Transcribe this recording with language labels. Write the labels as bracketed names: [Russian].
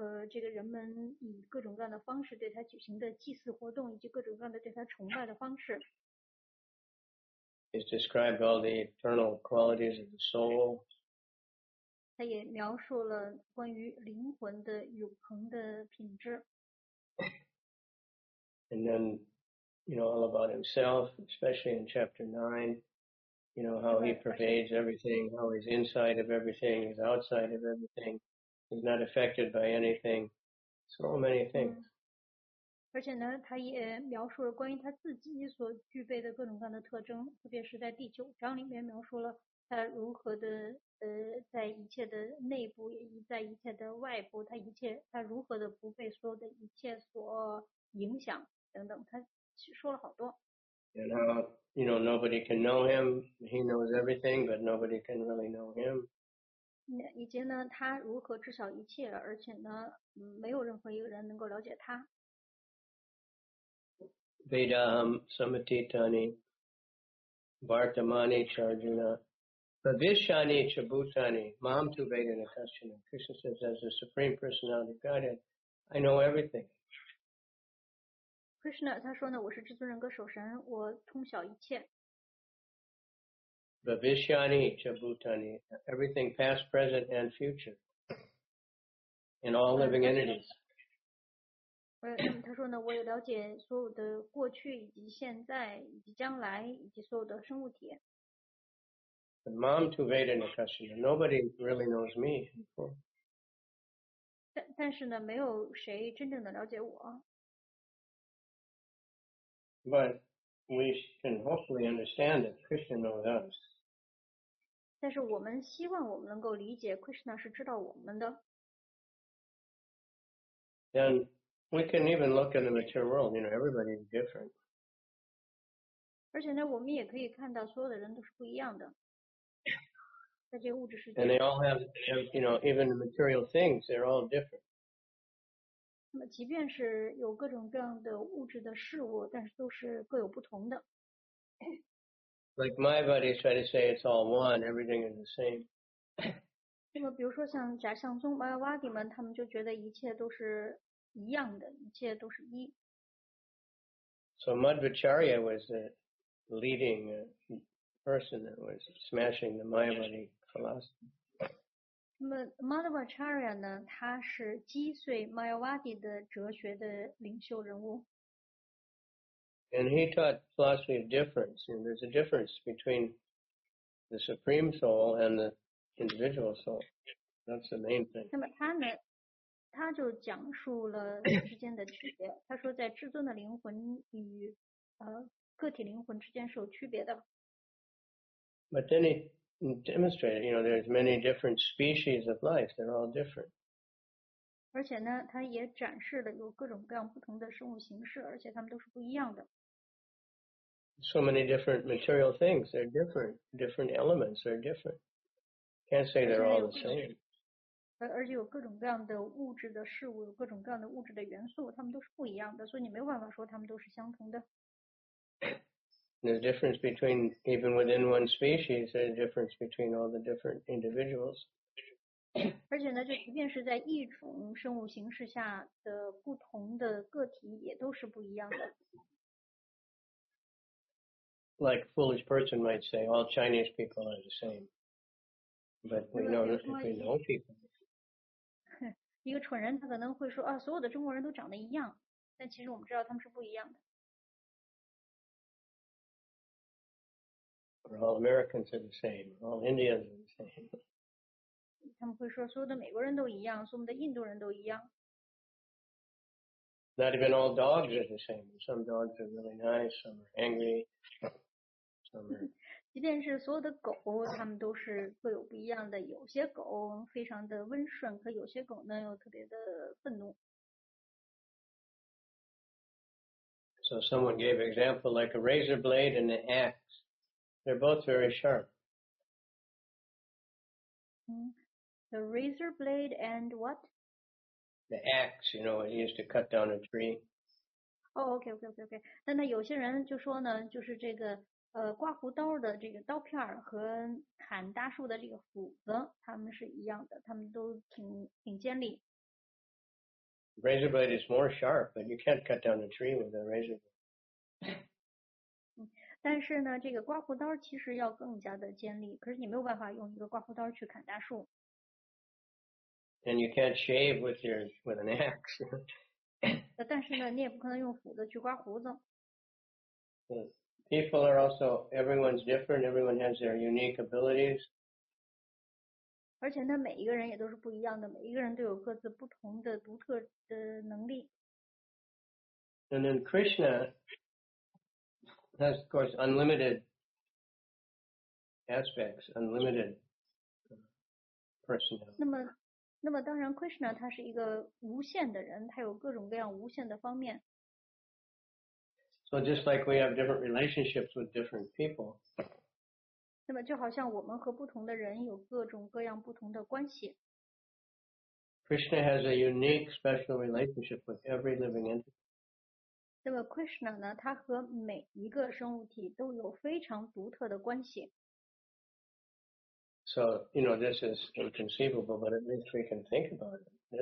[Chinese] 这个人们以各种各样的方式对他举行的祭祀活动，以及各种各样的对他崇拜的方式。 [English] It's described all the eternal qualities of the soul. [Chinese] 他也描述了关于灵魂的永恒的品质。 [English] And then, you know, all about himself, especially in chapter 9, you know, how he pervades everything, how he's inside of everything, he's outside of everything. He's not affected by anything. So many things. [Chinese] 而且呢，他也描述了关于他自己所具备的各种各样的特征，特别是在第九章里面描述了他如何的在一切的内部，也在一切的外部，他如何的不被所有的一切所影响等等，他说了好多。 [English] And how, you know, nobody can know him. He knows everything, but nobody can really know him. [Chinese] 以及呢，他如何知晓一切，而且呢，没有任何一个人能够了解他。 [Sanskrit] Vedaham Samatitani Vartamani Charjuna Bhavishani Chabutani Mam Tu Vedana Kashina. [English] Krishna says, as the Supreme Personality of Godhead, I know everything. [Chinese] Krishna 他说呢，我是至尊人格守神，我通晓一切。 [Sanskrit] Bhavishyani Chabutani, [English] everything past, present, and future, in all living entities. [Chinese] 他说呢，我也了解所有的过去以及现在以及将来以及所有的生物体。 [English] But [Sanskrit] Mam Tu Vedana Kashina, [English] nobody really knows me before. [Chinese] 但是呢，没有谁真正的了解我。 [English] But we can hopefully understand that Krishna knows us. [Chinese] 但是我们希望我们能够理解 Krishna 是知道我们的。 [English] Then we can even look in the material world, you know, everybody is different. [Chinese] 而且呢，我们也可以看到，所有的人都是不一样的，在这个物质世界。 [English] And they all have, you know, even the material things, they're all different. [Chinese] 那么，即便是有各种各样的物质的事物，但是都是各有不同的。 [English] Like my buddies try to say it's all one, everything is the same. [Chinese] 那么，比如说像假象宗 Mayavadi 们，他们就觉得一切都是一样的，一切都是一。 [English] So Madhvacharya was a leading person that was smashing the Mayavadi philosophy. [Chinese] 那么 Madhvacharya 呢，他是击碎 Mayavadi 的哲学的领袖人物。 [English] And he taught philosophy of difference. And there's a difference between the supreme soul and the individual soul. That's the main thing. [Chinese] 那么他呢，他就讲述了之间的区别。他说，在至尊的灵魂与个体灵魂之间是有区别的。 [English] But then he demonstrated, you know, there's many different species of life. They're all different. [Chinese] 而且呢，他也展示了有各种各样不同的生物形式，而且他们都是不一样的。 [English] So many different material things. They're different. Different elements are different. Can't say they're all the same. [Chinese] 而且有各种各样的物质的事物，有各种各样的物质的元素，它们都是不一样的，所以你没办法说它们都是相同的。 [English] There's a difference between, even within one species, there's a difference between all the different individuals. [Chinese] 而且呢，就即便是在一种生物形式下的不同的个体，也都是不一样的。 [English] Like a foolish person might say, all Chinese people are the same. But we know that if we know people. [Chinese] 一个蠢人他可能会说啊，所有的中国人都长得一样，但其实我们知道他们是不一样的。 [English] All Americans are the same. All Indians are the same. [Chinese] 他们会说所有的美国人都一样，所有的印度人都一样。 [English] Not even all dogs are the same. Some dogs are really nice, some are angry. [Chinese] 即便是所有的狗，它们都是各有不一样的。有些狗非常的温顺，可有些狗呢又特别的愤怒。 [English] So someone gave example like a razor blade and an axe. They're both very sharp. The razor blade and what? The axe, you know, it used to cut down a tree. Oh, okay, okay, okay, okay. [Chinese] 但那有些人就说呢，就是这个。刮胡刀的这个刀片和砍大树的这个斧子，它们是一样的，它们都挺尖利。 [English] Razor blade is more sharp, but you can't cut down a tree with a razor blade. [Chinese] 但是呢，这个刮胡刀其实要更加的尖利，可是你没有办法用一个刮胡刀去砍大树。 [English] And you can't shave with an axe. [Chinese] 但是呢，你也不可能用斧子去刮胡子。 [English] People are also, everyone's different, everyone has their unique abilities. [Chinese] 而且呢，每一个人也都是不一样的，每一个人都有各自不同的独特的能力。 [English] And then Krishna has, of course, unlimited aspects, unlimited personality. [Chinese] 那么当然 Krishna 他是一个无限的人，他有各种各样无限的方面。 [English] So just like we have different relationships with different people. [Chinese] 那么就好像我们和不同的人有各种各样不同的关系。 [English] Krishna has a unique special relationship with every living entity. [Chinese] 那么 Krishna 呢，他和每一个生物体都有非常独特的关系。 [English] So, you know, this is inconceivable, but at least we can think about it.